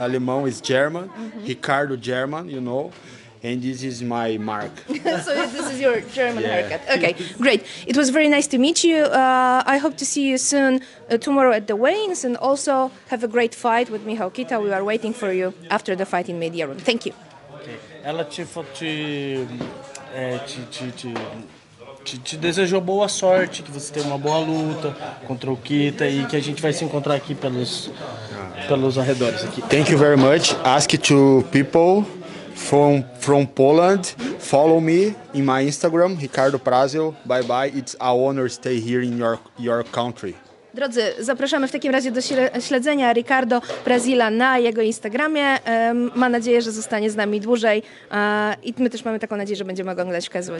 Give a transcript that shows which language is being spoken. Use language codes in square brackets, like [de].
[en] Alemão is German. Mm-hmm. Ricardo German, you know. And this is my mark. So this is your German haircut. Okay, great. It was very nice to meet you. I hope to see you soon tomorrow at the weigh-ins. And also have a great fight with Michał Kita. We are waiting for you after the fight in media room. Thank you. Okay. [pt] Ela te desejou boa sorte, que você tenha uma boa luta contra o Kita e que a gente vai se encontrar aqui pelos arredores aqui. [en] Thank you very much. Ask to people. From Poland, follow me in my Instagram, Ricardo Prazio. Bye bye. It's a honor to stay here in your country. [pl] Drodzy, zapraszamy w takim razie do śledzenia Ricardo Prazila na jego Instagramie. Ma nadzieję, że zostanie z nami dłużej i my też mamy taką nadzieję, że będziemy go oglądać w KSW.